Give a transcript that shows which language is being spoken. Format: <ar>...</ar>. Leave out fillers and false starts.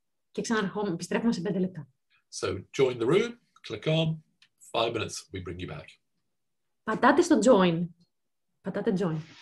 <el>Και επιστρέφουμε σε 5 λεπτά.</el> <en>So join the room, click on, 5 minutes, we bring you back.</en> <el>Πατάτε στο join. Πατάτε join.</el>